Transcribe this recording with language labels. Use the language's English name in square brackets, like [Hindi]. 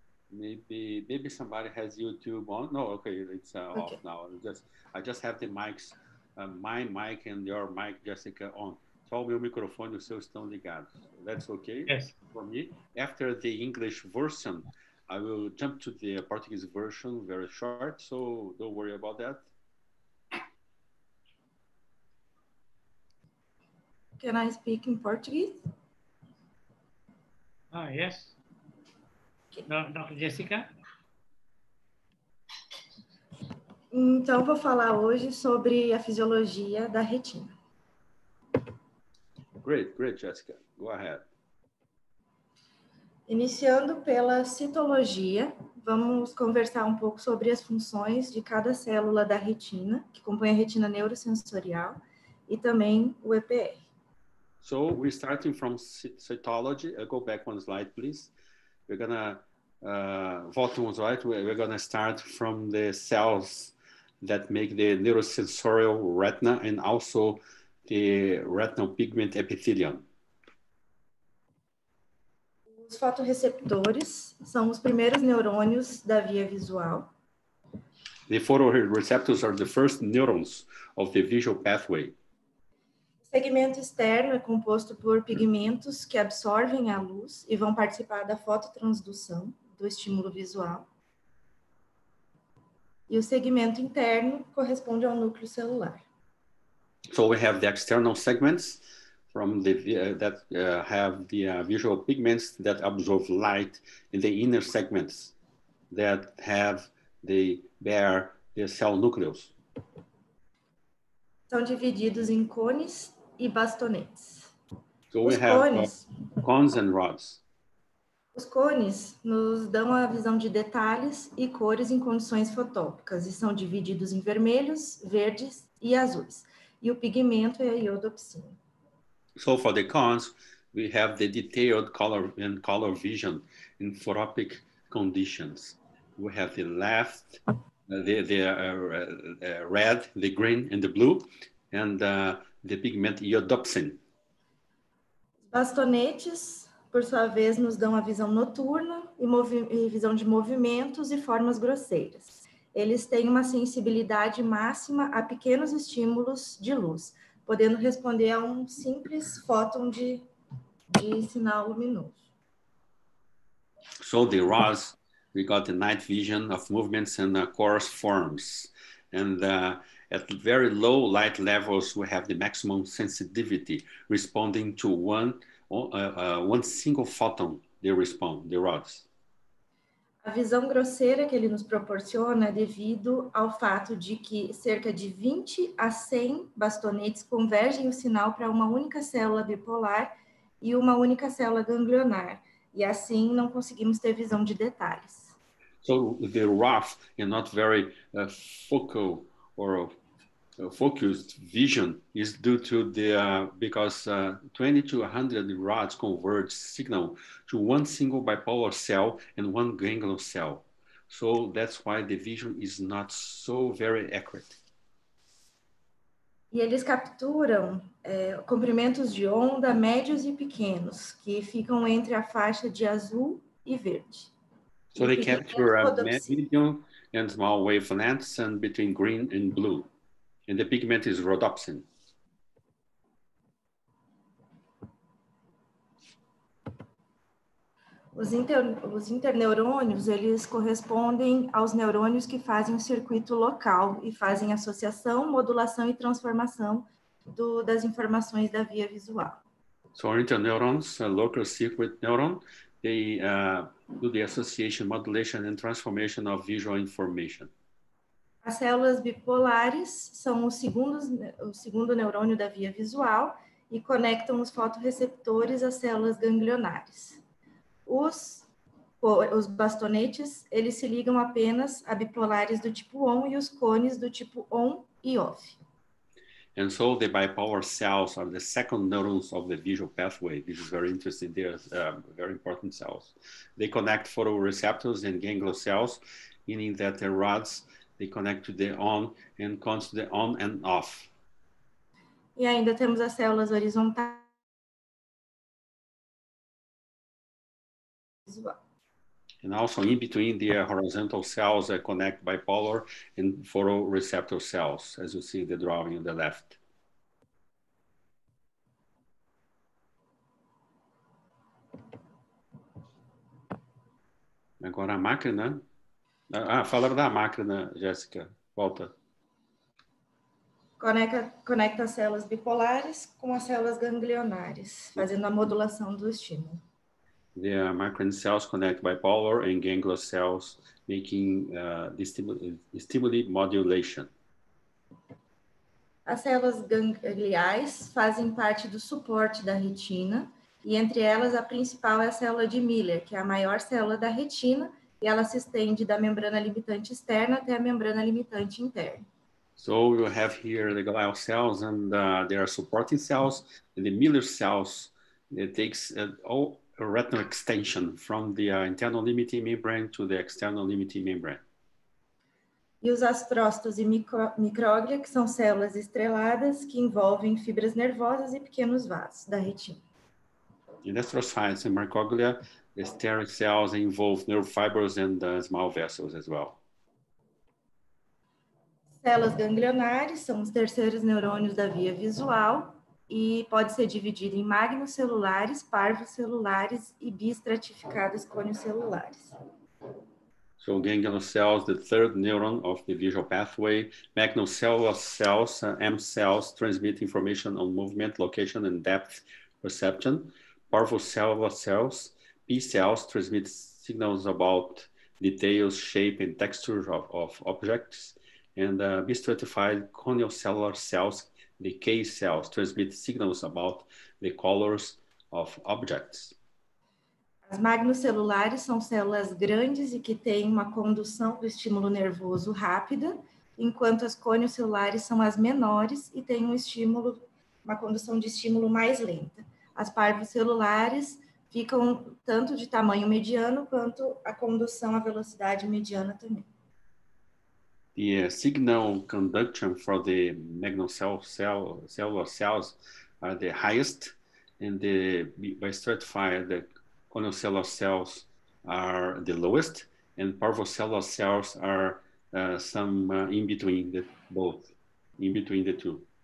[English] Maybe somebody has YouTube on. No, okay, it's off now. I just have the mics, my mic and your mic, Jessica, on. [Portuguese] Só o meu microfone e o seu estão ligados. [English] That's okay? Yes. For me, after the English version, I will jump to the Portuguese version very short, so don't worry about that. Can I speak in Portuguese? Yes. Dr. Jessica? [Portuguese] Então, vou falar hoje sobre a fisiologia da retina. [English] Great, Jessica. Go ahead. [Portuguese] Iniciando pela citologia, vamos conversar um pouco sobre as funções de cada célula da retina, que compõe a retina neurosensorial, e também o EPR. [English] So, we're starting from cytology. I'll go back one slide, please. We're going to, [Portuguese] voltamos, [English] right? We're going to start from the cells that make the neurosensorial retina and also the retinal pigment epithelium. [Portuguese] Os fotoreceptores são os primeiros neurônios da via visual. [English] The photoreceptors are the first neurons of the visual pathway. [Portuguese] O segmento externo é composto por pigmentos que absorvem a luz e vão participar da fototransdução do estímulo visual. E o segmento interno corresponde ao núcleo celular. [English] So we have the external segments from the that have the visual pigments that absorb light, and the inner segments that have the bare the cell nucleus. [Portuguese] São divididos em cones e bastonetes. [English] So we have cones and rods. [Portuguese] Os cones nos dão a visão de detalhes e cores em condições fotópicas e são divididos em vermelhos, verdes e azuis. E o pigmento é a iodopsina. [English] So for the cones, we have the detailed color and color vision in photopic conditions. We have the left, the red, the green and the blue, and the pigment iodopsin. [Portuguese] Bastonetes, por sua vez, nos dão a visão noturna e visão de movimentos e formas grosseiras. Eles têm uma sensibilidade máxima a pequenos estímulos de luz, podendo responder a um simples fóton de sinal luminoso. [English] So the rods, we got the night vision of movements and coarse forms. At very low light levels, we have the maximum sensitivity responding to one single photon. They respond, the rods. [Portuguese] A visão grosseira que ele nos proporciona é devido ao fato de que cerca de 20 a 100 bastonetes convergem o sinal para uma única célula bipolar e uma única célula ganglionar. E assim não conseguimos ter visão de detalhes. [English] So the rough and not very focal or focused vision is due to the because 20 to 100 rods converge signal to one single bipolar cell and one ganglion cell. So that's why the vision is not so very accurate. [Portuguese] E eles capturam comprimentos de onda médios e pequenos que ficam entre a faixa de azul e verde. [English] So they capture a medium and small wavelengths and between green and blue. And the pigment is rhodopsin. [Portuguese] Os interneurônios, eles correspondem aos neurônios que fazem o circuito local e fazem associação, modulação e transformação das informações da via visual. [English] So interneurons, local circuit neuron, they do the association, modulation and transformation of visual information. [Portuguese] As células bipolares são o segundo neurônio da via visual e conectam os fotorreceptores às células ganglionares. Os bastonetes, eles se ligam apenas a bipolares do tipo on e os cones do tipo on e off. [English] And so the bipolar cells are the second neurons of the visual pathway. This is very interesting. They are very important cells. They connect photoreceptors and ganglocells, meaning that the rods, they connect to the on and cones to the on and off. [Portuguese] E ainda temos as células horizontais. [English] And also in between the horizontal cells that connect bipolar and photoreceptor cells, as you see in the drawing on the left. [Portuguese] Agora a máquina. Ah, fala da máquina, Jessica. Volta. Conecta as células bipolares com as células ganglionares, fazendo a modulação do estímulo. [English] The macrine cells connect bipolar and ganglion cells, making the stimuli modulation. [Portuguese] As células gangliais fazem parte do suporte da retina, e entre elas a principal é a célula de Miller, que é a maior célula da retina, e ela se estende da membrana limitante externa até a membrana limitante interna. [English] So you have here the glial cells, and they are supporting cells, and the Miller cells, it takes all a retinal extension from the internal limiting membrane to the external limiting membrane. [Portuguese] E os astrócitos e micróglia, que são células estreladas que envolvem fibras nervosas e pequenos vasos da retina. [English] In astrocytes and microglia, the steric cells involve nerve fibers and small vessels as well. [Portuguese] Células ganglionares são os terceiros neurônios da via visual. E pode ser dividido em magnocelulares, parvocelulares e bistratificados coniocelulares. [English] So ganglion cells, the third neuron of the visual pathway, magnocellular cells, M cells, transmit information on movement, location and depth perception. Parvocellular cells, P cells, transmit signals about details, shape and texture of objects. And bistratified coniocellular cells, the K cells transmit signals about the colors of objects. [Portuguese] As magnocelulares são células grandes e que têm uma condução do estímulo nervoso rápida, enquanto as coniocelulares são as menores e têm uma condução de estímulo mais lenta. As parvocelulares ficam tanto de tamanho mediano quanto a condução à velocidade mediana também. [English] The signal conduction for the magnocellular cells are the highest, and the bistratified the coniocellular cells are the lowest, and parvocellular cells are in between the both, in between the two.